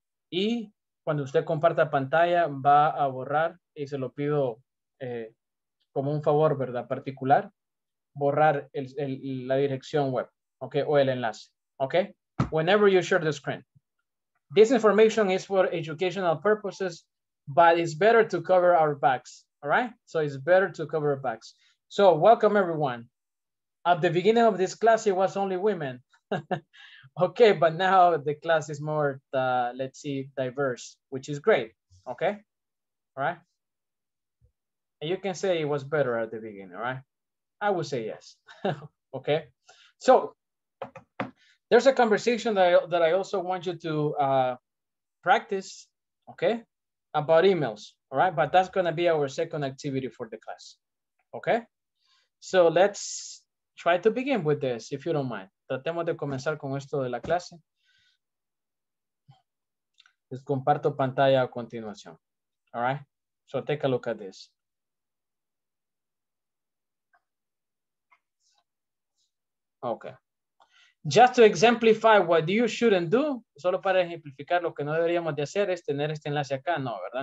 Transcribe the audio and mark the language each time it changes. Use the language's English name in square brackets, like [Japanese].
[Spanish] Y cuando usted comparta pantalla, va a borrar, y se lo pido. Como un favor, ¿verdad? Particular, borrar la dirección web, okay, o el enlace, okay? [English] Whenever you share the screen. This information is for educational purposes, but it's better to cover our backs, all right? So it's better to cover our backs. So welcome everyone. At the beginning of this class, it was only women. Okay, but now the class is more, let's see, diverse, which is great, okay? All right? And you can say it was better at the beginning, right? I would say yes. Okay. So there's a conversation that I also want you to practice, okay, about emails, all right? But that's going to be our second activity for the class, okay? So let's try to begin with this, if you don't mind. [Spanish] Tratemos de comenzar con esto de la clase. Les comparto pantalla a continuación, [English] all right? So take a look at this. Okay. Just to exemplify what you shouldn't do, [Spanish] solo para ejemplificar lo que no deberíamos de hacer es tener este enlace acá, no, ¿verdad?